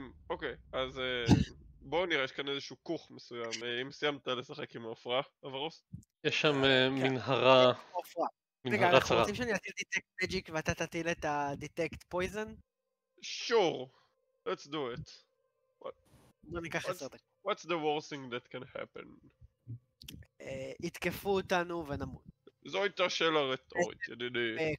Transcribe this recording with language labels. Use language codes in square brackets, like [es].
[he] אוקיי, אז בואו נראה, יש כאן איזשהו כוך מסוים. אם סיימת לשחק עם האופרה, אברוס? יש שם מנהרה... אופרה. מנהרה צרה. רגע, אנחנו רוצים שאני אטיל דיטקט מג'יק ואתה תטיל את הדיטקט פויזן? [en] שור. Let's do it. [he] אני אקח עשר דקות. [en] What's the worst thing that can happen? [he] יתקפו אותנו ונמות. זו הייתה שאלה רטורית, ידידי.